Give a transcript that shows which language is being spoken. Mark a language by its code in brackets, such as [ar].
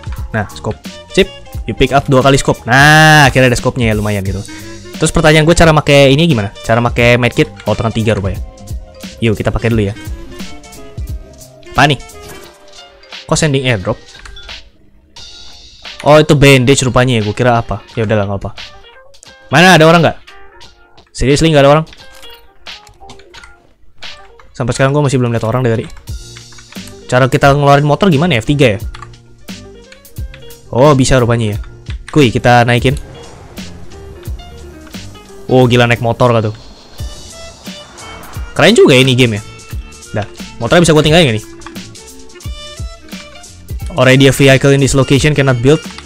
[id] Nah scope, sip, [en] you pick up [id] 2 kali scope. Nah akhirnya ada scope-nya ya, lumayan gitu. Terus pertanyaan gue, cara pakai ini gimana? Cara pakai medkit? Oh tangan 3 rupanya. Yuk kita pakai dulu ya. Apa nih? Kok sending airdrop? Oh itu bandage rupanya ya, gue kira apa. Ya udahlah gak apa. Mana ada orang gak? Seriously gak ada orang? Sampai sekarang gue masih belum lihat orang dari. Cara kita ngeluarin motor gimana ya? F3 ya? Oh bisa rupanya ya. Kuy kita naikin. Oh gila naik motor gak tuh. Keren juga ya ini game ya. Dah, motornya bisa gue tinggalin gak nih? [en] Already a vehicle in this location cannot build.